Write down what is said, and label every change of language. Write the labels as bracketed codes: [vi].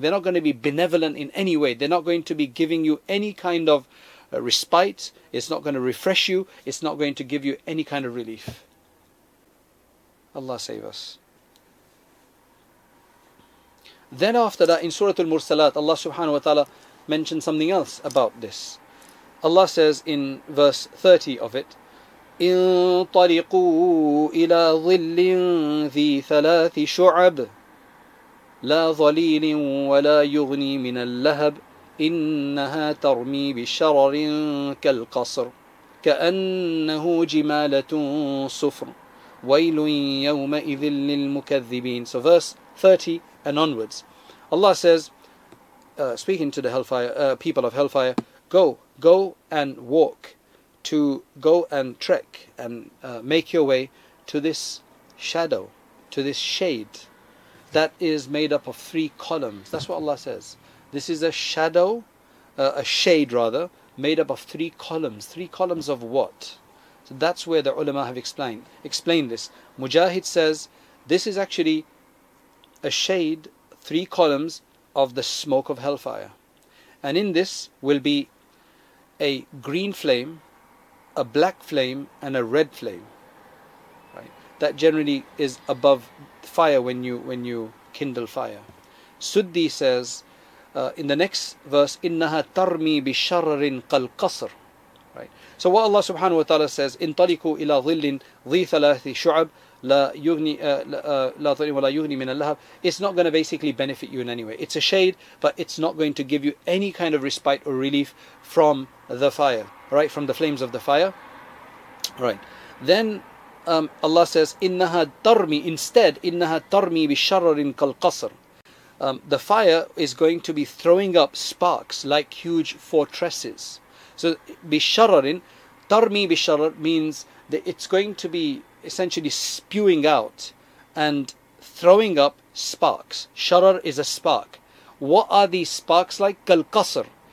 [en] They're not going to be benevolent in any way. They're not going to be giving you any kind of respite. It's not going to refresh you. It's not going to give you any kind of relief. Allah save us. Then after that, in Surah Al-Mursalat, Allah subhanahu wa ta'ala mentioned something else about this. Allah says in verse 30 of it, [ar] انطلقوا إلى ظل ذي ثلاث شعب لا ظليل ولا يغني من اللهب إنها ترمي بشرر كالقصر كأنه جمالة صفر ويل يومئذ للمكذبين. [en] So verse 30 and onwards, Allah says, speaking to the hellfire, people of hellfire, Go and walk, to go and trek and make your way to this shadow, to this shade that is made up of three columns. That's what Allah says. This is a shadow, a shade rather, made up of three columns. Three columns of what? So that's where the ulama have explained this. Mujahid says, this is actually a shade, three columns of the smoke of hellfire. And in this will be a green flame, a black flame, and a red flame. Right. that generally is above fire when you kindle fire. Suddi says, in the next verse, [ar] إِنَّهَا تَرْمِي بِشَرَّرٍ قَالْقَصْرٍ. [en] Right. So what Allah subhanahu wa ta'ala says, [ar] انطلقوا إلى ظل ذي ثلاث شعب لا يغني ولا يغني من اللهب. [en] It's not going to basically benefit you in any way. It's a shade, but it's not going to give you any kind of respite or relief from the fire, right? From the flames of the fire. Right. Then Allah says, [ar] إنها ترمي, instead, إنها ترمي بشرر كالقصر. [en] The fire is going to be throwing up sparks like huge fortresses. So, bisharrarin, tarmi bisharrar means that it's going to be essentially spewing out and throwing up sparks. Sharar is a spark. What are these sparks like? Kal qasr.